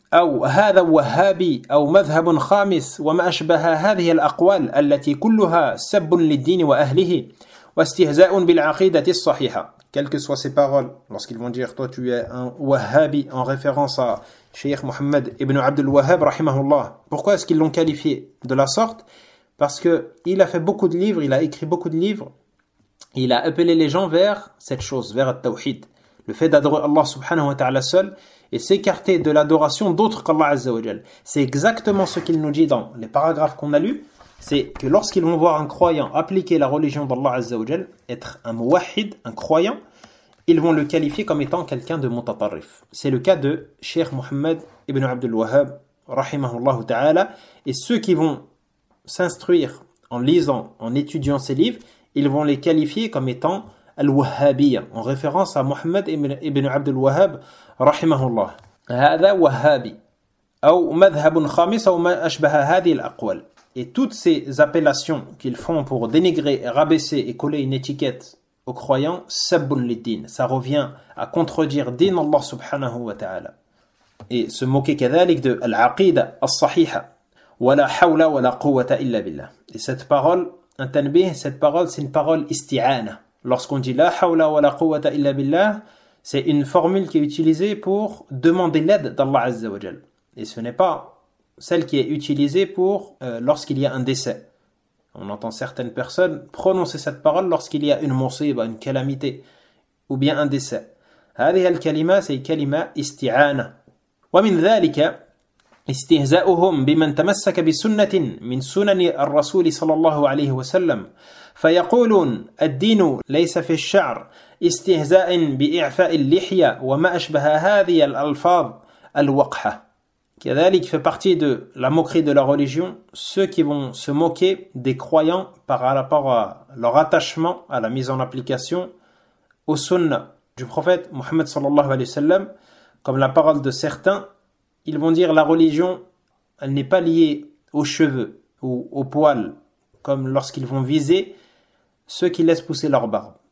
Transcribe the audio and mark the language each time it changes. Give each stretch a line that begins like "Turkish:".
Arabic: أو هذا وهابي أو مذهب خامس وما أشبه هذه الأقوال التي كلها سب للدين وأهله واستهزاء بالعقيدة الصحيحة.
French: Quelles que soient ses paroles, lorsqu'ils vont dire « Toi, tu es un wahhabi » en référence à Cheikh Mohammed ibn Abdul Wahhab, rahimahullah. Pourquoi est-ce qu'ils l'ont qualifié de la sorte? Parce qu'il a fait beaucoup de livres, il a écrit beaucoup de livres, il a appelé les gens vers cette chose, vers le tawhid, le fait d'adorer Allah subhanahu wa ta'ala seul, et s'écarter de l'adoration d'autres qu'Allah Azzawajal. C'est exactement ce qu'il nous dit dans les paragraphes qu'on a lus, c'est que lorsqu'ils vont voir un croyant appliquer la religion d'Allah Azzawajal, être un mouahid, un croyant, ils vont le qualifier comme étant quelqu'un de mutatarrif. C'est le cas de Cheikh Mohammed ibn Abdul Wahhab, rahimahullah ta'ala, et ceux qui vont s'instruire en lisant, en étudiant ces livres, ils vont les qualifier comme étant الوهابية en référence à Mohammed ibn عبد الوهاب رحمه الله.
Arabic: هذا وهابي أو مذهب خامس أو ما أشبه هذه الأقوال.
French: Et toutes ces appellations qu'ils font pour dénigrer, rabaisser et coller une étiquette aux croyants,
Arabic: sabun lid-din,
French: ça revient à contredire din Allah subhanahu wa ta'ala. Et se moquer كذلك de al-aqida al-sahiha,
Arabic: wa la hawla wa la quwwata illa billah.
French: Et cette parole, un tanbih, cette parole, c'est une parole isti'ana. Lorsqu'on dit la hawla wa la quwwata illa billah, c'est une formule qui est utilisée pour demander l'aide d'Allah azza wa jal. Et ce n'est pas celle qui est utilisée pour lorsqu'il y a un décès. On entend certaines personnes prononcer cette parole lorsqu'il y a une mosiba, une calamité, ou bien un décès.
Arabic: هذه الكلمة
French: c'est
Arabic: كلمة استعانة. ومن ذلك استهزاؤهم بمن تمسك بسنة من سنن الرسول صلى الله عليه وسلم. فيقولون الدين ليس في الشعر استهزاء بإعفاء اللحية وما أشبه هذه الألفاظ الوقحة.
French: كذلك fait partie de la moquerie de la religion ceux qui vont se moquer des croyants par rapport à leur attachement à la mise en application au sunnah du prophète Mohammed sallallahu alayhi wa sallam, comme la parole de certains, ils vont dire la religion elle n'est pas liée aux cheveux ou aux poils, comme lorsqu'ils vont viser ceux qui laissent pousser leur barbe.